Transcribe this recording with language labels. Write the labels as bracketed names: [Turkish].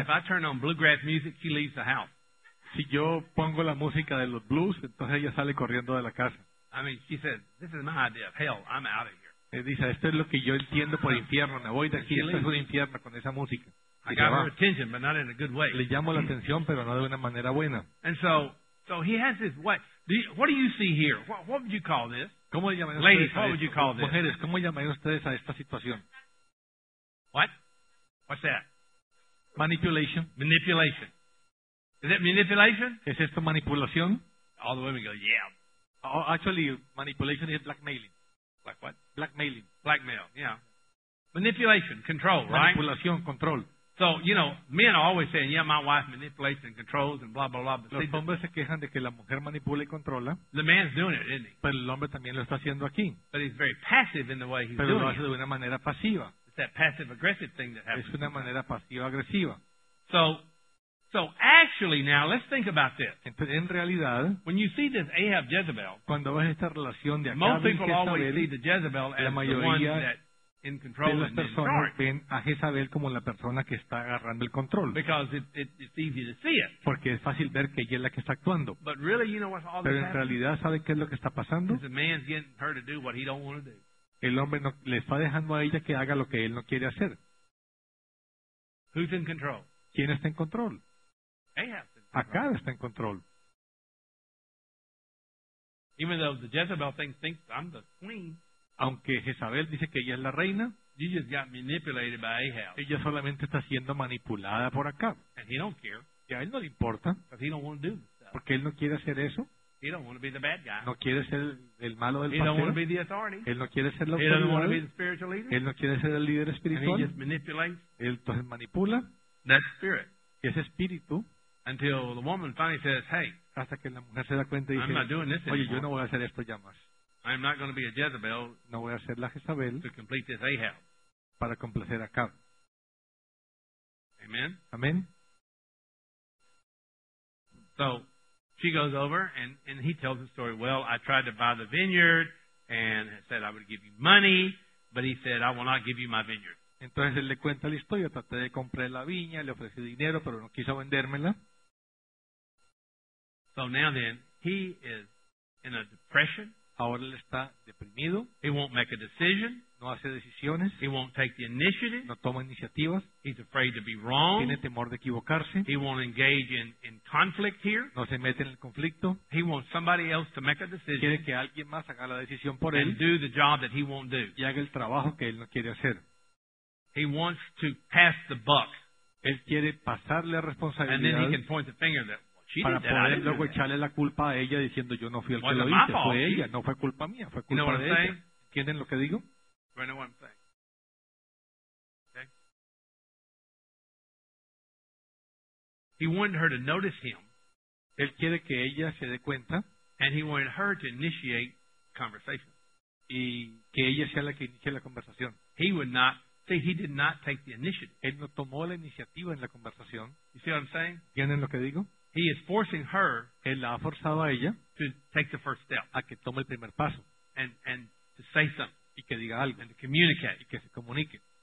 [English] If I turn on bluegrass music, she leaves the house. [Spanish] Si yo pongo la música de los blues, entonces ella sale corriendo de la casa. [English] I mean, she said, "This is my idea of hell. I'm out of here." [Spanish] Él dice, esto es lo que yo entiendo por infierno. Me voy de aquí. Esto es un infierno con esa música. [English] I got her attention, but not in a good way. [Spanish] Le llamo la atención, pero no de una manera buena. [English] And so he has this way. What do you see here? What would you call this? [Spanish] ¿Cómo llaman ustedes? [English] Ladies, what would you call this? [Spanish] Mujeres, ¿cómo llamarían ustedes a esta situación? [English] What? What's that? Manipulation. Manipulation. Is that manipulation? [Spanish] ¿Es esto manipulación? [English] All the women go, yeah. Oh, actually, manipulation is blackmailing. Like what? Blackmailing. Blackmail, yeah. Manipulation, control, right? [Spanish] Manipulación, control. [English] So, you know, men are always saying, yeah, my wife manipulates and controls and blah, blah, blah. But [Spanish] los hombres se quejan de que la mujer manipula y controla. [English] The man's doing it, isn't he? [Spanish] Pero el hombre también lo está haciendo aquí. [English] But he's very passive in the way he's [Spanish] pero [English] doing it. [Spanish] Pero lo hace de una manera pasiva. [English] It's that passive-aggressive thing that happens. [Spanish] Es una manera pasiva-agresiva. [English] So, So actually now, let's think about this. [Spanish] En realidad, [English] when you see this Ahab Jezebel, [Spanish] cuando ves esta relación de Acab, [English] most people [Spanish] Jezabel, [English] always see the Jezebel as the one that in control [Spanish] de las personas [English] and in charge. [Spanish] Ven a Jezabel como la persona que está agarrando el control. [English] Because it's easy to see it. [Spanish] Porque es fácil ver que ella es la que está actuando. [English] But really, you know what's all [Spanish] Pero en realidad, ¿sabe qué es lo que está pasando? [English] The man's getting her to do what he don't want to do. [Spanish] El hombre no, le está dejando a ella que haga lo que él no quiere hacer. [English] Who's in control? [Spanish] ¿Quién está en control? [English] Ahab [Spanish] está en control. [English] Even though the Jezebel thinks I'm the queen, [Spanish] aunque Jezabel dice que ella es la reina, [English] she just got manipulated by Ahab. [Spanish] Ella solamente está siendo manipulada por Ahab. [English] And he don't care. [Spanish] Y a él no le importa. [English] Because he don't want to do this stuff. [Spanish] Porque él no quiere hacer eso. [English] He don't want to be the bad guy. [Spanish] No quiere ser el malo del pastor. [English] He don't want to be the authority. [Spanish] Él no quiere ser la autoridad. [English] He don't want to be the spiritual leader. [Spanish] Él no quiere ser el líder espiritual. [English] And he just manipulates. [Spanish] Él entonces manipula. [English] That spirit. [Spanish] Y ese espíritu. [English] Until the woman finally says, "Hey, [Spanish] hasta que la mujer se da cuenta y dice, [English] I'm not doing this anymore. [Spanish] Oye, yo no voy a hacer esto ya más. [English] I'm not going to be a Jezebel. [Spanish] No voy a ser la Jezabel [English] to complete this Ahab. [Spanish] Para complacer a Acab. [English] Amen. [Spanish] Amen. [English] So she goes over, and he tells the story. Well, I tried to buy the vineyard, and said I would give you money, but he said I will not give you my vineyard. [Spanish] Entonces él le cuenta la historia. Traté de comprar la viña, le ofrecí dinero, pero no quiso vendérmela. [English] So now then, he is in a depression. [Spanish] Ahora él está deprimido. [English] He won't make a decision. [Spanish] No hace decisiones. [English] He won't take the initiative. [Spanish] No toma iniciativas. [English] He's afraid to be wrong. [Spanish] Tiene temor de equivocarse. [English] He won't engage in conflict here. [Spanish] No se mete en el conflicto. [English] He wants somebody else to make a decision. [Spanish] Quiere que alguien más haga la decisión por él. [English] And do the job that he won't do. [Spanish] Y haga el trabajo que él no quiere hacer. [English] He wants to pass the buck. [Spanish] Él quiere pasarle la responsabilidad. [English] And then he can point the finger at She [Spanish] para [English] did that, [Spanish] poder luego echarle [English] that. [Spanish] La culpa a ella diciendo yo no fui el que lo hice, fue ella, no fue culpa mía, fue culpa [English] you know [Spanish] de ella. ¿Entienden lo que digo? [English] Okay. He wanted her to notice him. [Spanish] Él quiere que ella se dé cuenta. [English] And he wanted her to initiate conversation. [Spanish] Y que ella sea la que inicie la conversación. [English] He would not, see, he did not take the initiative. [Spanish] Él no tomó la iniciativa en la conversación. [English] You see what I'm saying? [Spanish] ¿Entienden lo que digo? [English] He is forcing her [Spanish] él la ha forzado a ella [English] to take the first step, [Spanish] a que tome el primer paso [English] and to say something, [Spanish] y que diga algo, [English] and to communicate, [Spanish] y que se comunique.